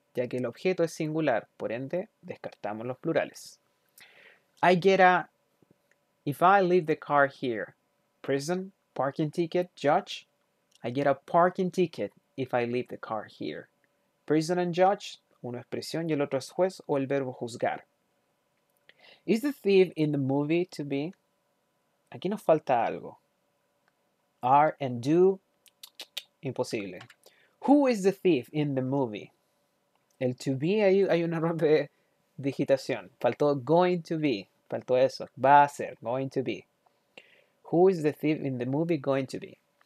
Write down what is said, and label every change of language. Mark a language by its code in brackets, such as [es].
[es] Ya que el objeto es singular, por ende, descartamos los plurales. [en] If I leave the car here, prison, parking ticket, judge. I get a parking ticket if I leave the car here. Prison and judge, [es] una expresión y el otro es juez o el verbo juzgar. [en] Is the thief in the movie to be? [es] Aquí nos falta algo. Are and do. Imposible. [en] Who is the thief in the movie? [es] El to be, hay un error de digitación. Faltó going to be. Faltó eso. Va a ser. Going to be. [en] Who is the thief in the movie going to be?